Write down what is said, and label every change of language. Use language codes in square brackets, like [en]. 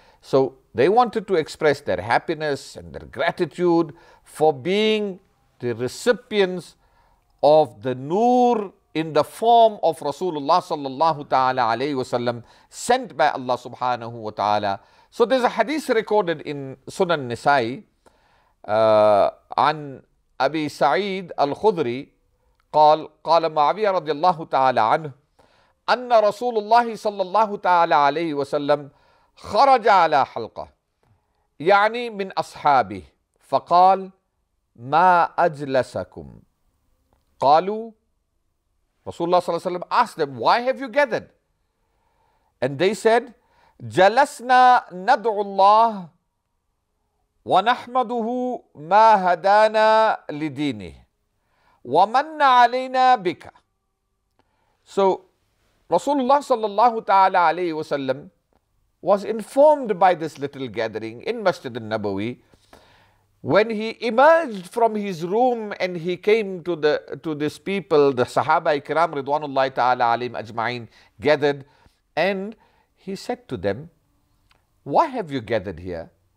[en] So they wanted to express their happiness and their gratitude for being the recipients of the nur in the form of Rasulullah sallallahu ta'ala alayhi wasallam, sent by Allah subhanahu wa ta'ala. So there's a hadith recorded in Sunan Nisa'i an Abi Sa'id al-Khudri. [ar] قال معاوية رضي الله تعالى عنه أن رسول الله صلى الله تعالى عليه وسلم خرج على حلقة يعني من أصحابه فقال ما أجلسكم قالوا رسول الله صلى الله عليه وسلم [en] asked them why have you gathered and they said [ar] جلسنا ندعو الله ونحمده ما هدانا لدينه وَمَنَّ عَلَيْنَا بِكَ. [en] So Rasulullah sallallahu ta'ala alayhi wa sallam was informed by this little gathering in Masjid al-Nabawi. When he emerged from his room and he came to this people, the Sahaba ikram ridwanullahi ta'ala alayhim ajma'in gathered, and he said to them, why have you gathered here?